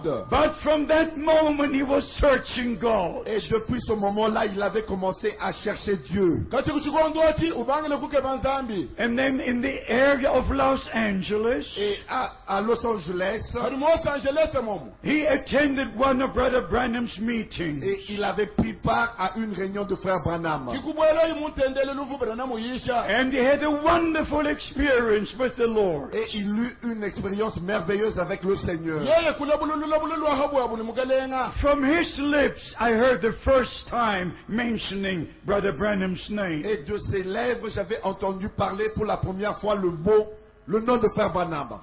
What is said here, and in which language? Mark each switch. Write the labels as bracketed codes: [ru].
[en] But from that moment he was searching God. [fr] Et depuis ce moment-là, il avait commencé à chercher Dieu. [en] And then in the area of Los Angeles, [fr] Los Angeles, [en] he attended one of Brother Branham's meetings. [fr] Et il avait pris part à une réunion de Frère Branham. [en] And he had a wonderful experience with the Lord. [fr] Et il eut une expérience merveilleuse avec le Seigneur. [en] From his lips, I heard the first time mentioning Brother Branham's name. [fr] Et de ses lèvres, j'avais entendu parler pour la première fois le mot, le nom de Frère Branham.